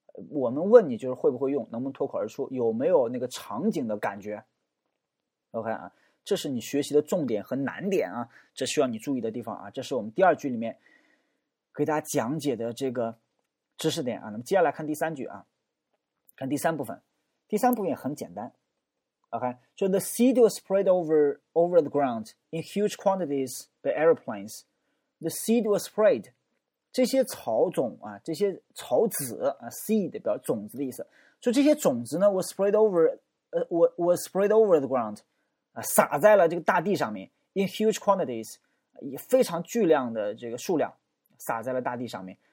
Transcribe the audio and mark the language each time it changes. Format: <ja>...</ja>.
<zh>我们问你就是会不会用，能不能脱口而出，有没有那个场景的感觉。 OK 啊，这是你学习的重点和难点啊，这需要你注意的地方啊，这是我们第二句里面给大家讲解的这个知识点啊。那么接下来看第三句啊，看第三部分，第三部分也很简单。</zh> <en>OK，</en> <zh>说</zh> <en>The seed was spread over the ground in huge quantities by airplanes. The seed was spread.</en> <zh>这些草种啊，这些草籽啊 ，seed 表种子的意思。说这些种子呢 ，</zh> <en>was spread over the ground，</en> <zh>啊，撒在了这个大地上面。</zh> <en>In huge quantities，</en> <zh>以非常巨量的这个数量，撒在了大地上面。</zh>